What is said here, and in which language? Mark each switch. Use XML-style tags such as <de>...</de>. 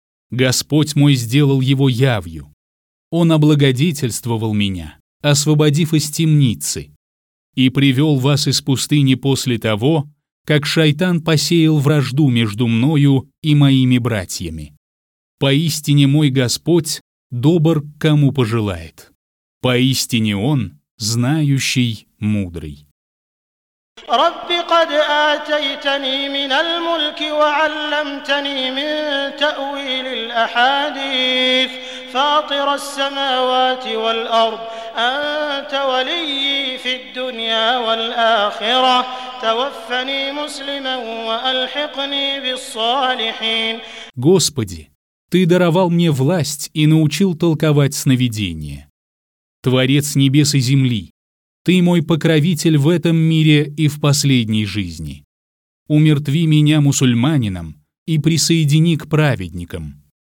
<ru>Господь мой сделал его явью. Он облагодетельствовал меня, освободив из темницы, и привел вас из пустыни после того, как шайтан посеял вражду между мною и моими братьями. Поистине мой Господь добр, кому пожелает. Поистине Он знающий, мудрый».</ru> <ar>رب قد آتيتني من الملك وعلمتني من تأويل الأحاديث فاطر السماوات والأرض أنت ولي في الدنيا والآخرة توفني مسلما وألحقني بالصالحين.</ar> <ru>Господи, ты даровал мне власть и научил толковать сновидения. Творец небес и земли, ты мой покровитель в этом мире и в последней жизни. Умертви меня мусульманином и присоедини к праведникам.</ru>